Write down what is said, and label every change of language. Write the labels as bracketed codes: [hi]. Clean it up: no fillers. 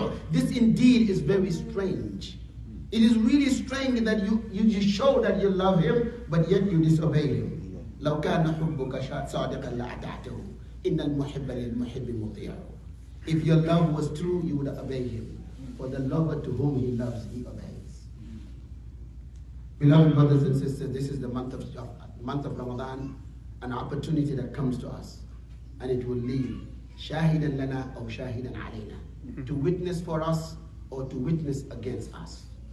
[en] This indeed is very strange. It is really strange that you show that you love him, but yet you disobey him. [ar] لو كان حبك صادقا لأطعته إن المحب للمحب مطيع. [en] If your love was true, you would obey him. For the lover to whom he loves, he obeys. Beloved brothers and sisters, this is the month of Ramadan, an opportunity that comes to us, and it will leave. [ar] Shahidan lana [en] or [ar] shahidan alayna. [en] To witness for us or to witness against us.